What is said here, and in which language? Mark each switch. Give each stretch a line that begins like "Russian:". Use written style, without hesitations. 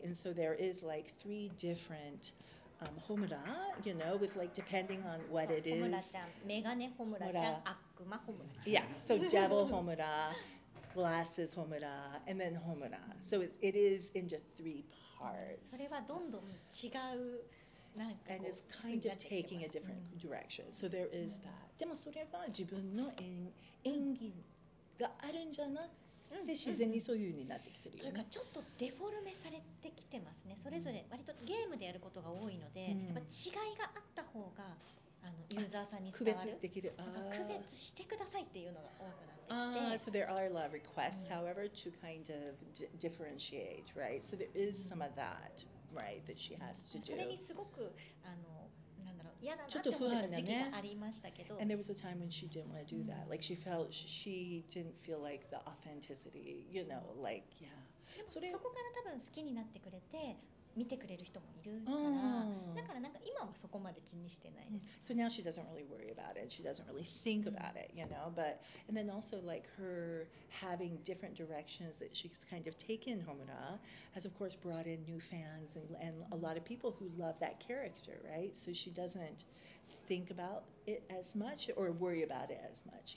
English: And so there is like three different homura, you know, with like depending on what it is. Megane homura, akuma homura. Yeah, so devil homura. Glasses homura and then homura, so it is into three parts. And it's kind of taking a different direction. So there is that.
Japanese: でもそれは自分の演技があるんじゃなくて自然にそういう風になってきてるよね。というかちょっとデフォルメされてきてますね。それぞれ割とゲームでやることが多いので、やっぱ違いがあった方が。あのユーザーさんに伝わる、区別できる、なんか区別してくださいっていうのが多くなってきて、
English: So there are a lot of requests, however, to kind of differentiate, right? So there is some of that, right, that she has to do.
Japanese: それにすごくあのなんだろう嫌だなって思った時期がありましたけど、
English: And there was a time when she didn't want to do that. Like she felt she didn't feel like the authenticity, you know, like yeah.
Japanese: でもそこから多分好きになってくれて。見てくれる人もいるから、だからなんか今はそこまで気にしてないです。
English: So now she doesn't really worry about it. She doesn't really think about it, you know. But and then also like her having different directions that she's kind of taken Homura has of course brought in new fans and a lot of people who love that character, right? So she doesn't think about it as much or worry about it as much.